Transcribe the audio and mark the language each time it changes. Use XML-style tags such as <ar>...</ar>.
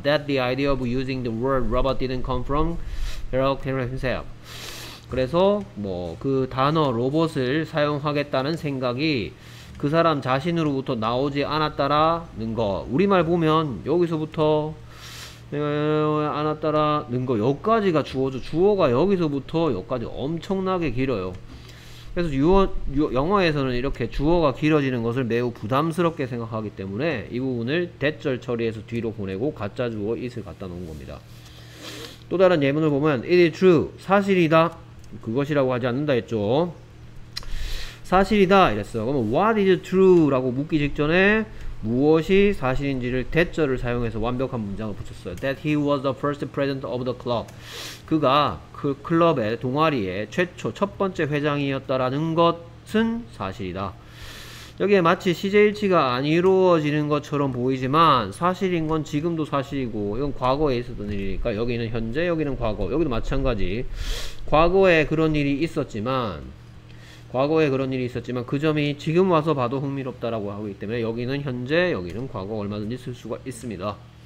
<en>that the idea of using the word robot didn't come from Harold Henry himself.</en> <ko>그래서 뭐 그 단어 로봇을 사용하겠다는 생각이 그 사람 자신으로부터 나오지 않았다라는 거 우리말 보면 여기서부터 않았다라는 거 여기까지가 주어죠. 주어가 여기서부터 여기까지 엄청나게 길어요. 그래서 영어에서는 이렇게 주어가 길어지는 것을 매우 부담스럽게 생각하기 때문에 이 부분을 대절 처리해서 뒤로 보내고 가짜 주어 it을 갖다 놓은 겁니다. 또 다른 예문을 보면</ko> <en>it is true</en> <ko>사실이다 그것이라고 하지 않는다 했죠. 사실이다 이랬어. 그러면</ko> <en>what is true</en> <ko>라고 묻기 직전에 무엇이 사실인지를 대절을 사용해서 완벽한 문장을 붙였어요.</ko> <en>That he was the first president of the club.</en> <ko>그가 그 클럽의 동아리의 최초 첫 번째 회장이었다라는 것은 사실이다. 여기에 마치 시제일치가 안 이루어지는 것처럼 보이지만 사실인 건 지금도 사실이고 이건 과거에 있었던 일이니까 여기는 현재 여기는 과거 여기도 마찬가지 과거에 그런 일이 있었지만 과거에 그런 일이 있었지만 그 점이 지금 와서 봐도 흥미롭다라고 하기 때문에 여기는 현재, 여기는 과거 얼마든지 쓸 수가 있습니다.</ko>